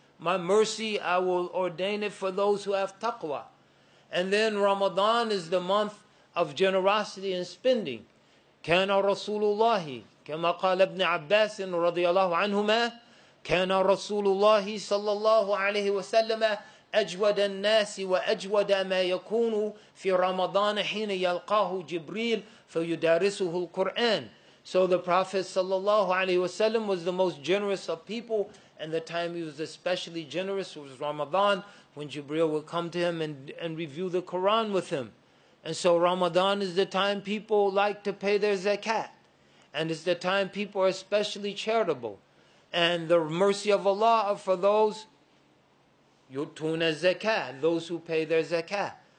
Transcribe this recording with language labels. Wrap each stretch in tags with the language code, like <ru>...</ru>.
<en>My mercy, I will ordain it for those who have taqwa. And then Ramadan is the month of generosity and spending.</en> <ar>كَانَ رَسُولُ اللَّهِ كَمَا قَالَ ابْنِ عَبَّاسٍ رَضِيَ اللَّهُ عَنْهُمَا كَانَ رَسُولُ اللَّهِ صَلَّى اللَّهُ عَلَيْهِ وَسَلَّمَ أجود الناس وأجود ما يكون في رمضان حين يلقاه جبريل فيدارسه القرآن.</ar> <en>So the Prophet sallallahu alaihi wasallam was the most generous of people, and the time he was especially generous was Ramadan, when Jibreel would come to him and review the Quran with him. And so Ramadan is the time people like to pay their zakat, and it's the time people are especially charitable, and the mercy of Allah are for those</en> <ar>يُتُونَ الزَّكَاةِ,</ar> <en>those who pay their zakah.</en>